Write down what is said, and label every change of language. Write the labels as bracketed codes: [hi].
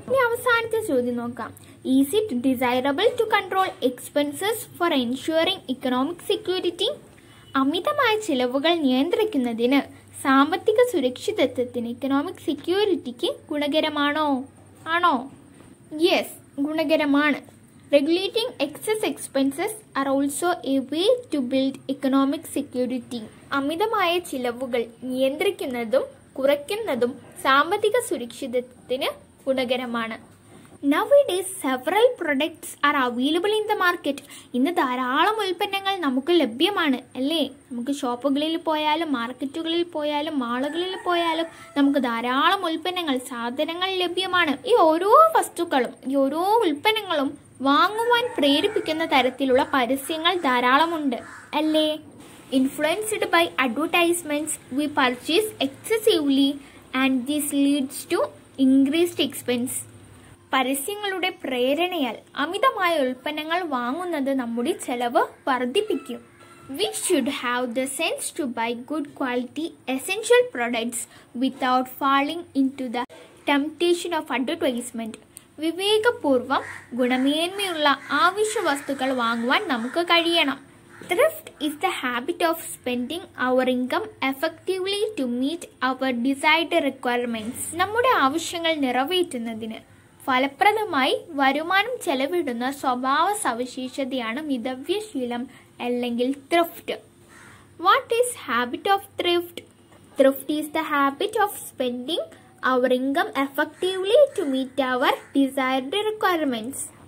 [ml] ഇനി അവസാനത്തെ ചോദ്യം നോക്കാം. [en] Is it desirable to control expenses for ensuring economic security? [ml] അമിതമായ ചിലവുകൾ നിയന്ത്രിക്കുന്നതിന് സാമ്പത്തിക സുരക്ഷിതത്വത്തിന് ഇക്കണോമിക് സെക്യൂരിറ്റിക്ക് ഗുണകരമാണോ? ആണോ? യെസ്, ഗുണകരമാണ്. [en] Regulating excess expenses are also a way to build economic security. [ml] അമിതമായ ചിലവുകൾ നിയന്ത്രിക്കുന്നതും കുറയ്ക്കുന്നതും സാമ്പത്തിക സുരക്ഷിതത്വത്തിന് ഗുണകരമാണ്. [en] Nowadays, several products are available in the market. [ml] ഇന്ന് ധാരാളം ഉൽപ്പന്നങ്ങൾ നമുക്ക് ലഭ്യമാണ് അല്ലേ? നമുക്ക് ഷോപ്പുകളിൽ പോയാലും മാർക്കറ്റുകളിൽ പോയാലും മാളുകളിൽ പോയാലും നമുക്ക് ധാരാളം ഉൽപ്പന്നങ്ങൾ സാധനങ്ങൾ ലഭ്യമാണ്. ഈ ഓരോ വസ്തുക്കളും ഈ ഓരോ ഉൽപ്പന്നങ്ങളും വാങ്ങുവാൻ പ്രേരിപ്പിക്കുന്ന തരത്തിലുള്ള പരസ്യങ്ങൾ ധാരാളമുണ്ട് അല്ലേ? [en] Influenced by advertisements, we purchase excessively and this leads to increased expense. [ml] പരസ്യങ്ങളുടെ പ്രേരണയാൽ അമിതമായ ഉൽപ്പന്നങ്ങൾ വാങ്ങുന്നത് നമ്മുടെ ചെലവ് വർദ്ധിപ്പിക്കും. [en] We should have the sense to buy good quality essential products without falling into the temptation of advertisement. [ml] വിവേകപൂർവം ഗുണമേന്മയുള്ള ആവശ്യ വസ്തുക്കൾ വാങ്ങുവാൻ നമുക്ക് കഴിയണം. [en] Thrift is the habit of spending our income effectively to meet our desired requirements. [ml] നമ്മുടെ ആവശ്യങ്ങൾ നിറവേറ്റുന്നതിന് ഫലപ്രദമായി വരുമാനം ചെലവിടുന്ന സ്വഭാവ സവിശേഷതയാണ് മിതവ്യശീലം അല്ലെങ്കിൽ thrift. [en] What is habit of thrift? Thrift is the habit of spending our income effectively to meet our desired requirements.